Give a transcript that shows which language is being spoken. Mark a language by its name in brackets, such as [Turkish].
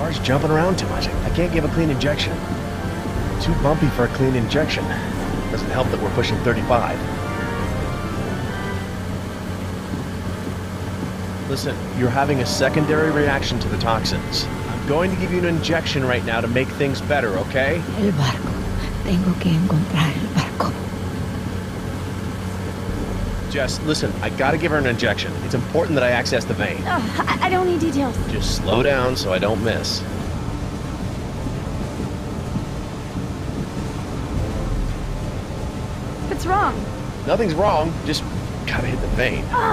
[English] Jumping around too much. I can't give a clean injection. Too bumpy for a clean injection. Doesn't help that we're pushing 35. Listen, you're having a secondary reaction to the toxins. I'm going to give you an injection right now to make things better, okay? [Spanish] El barco. Tengo que encontrar el barco. [English] Jess, listen, I gotta give her an injection. It's important that I access the vein. Oh, I don't need details. Just slow down so I don't miss. Nothing's wrong, just gotta hit the vein.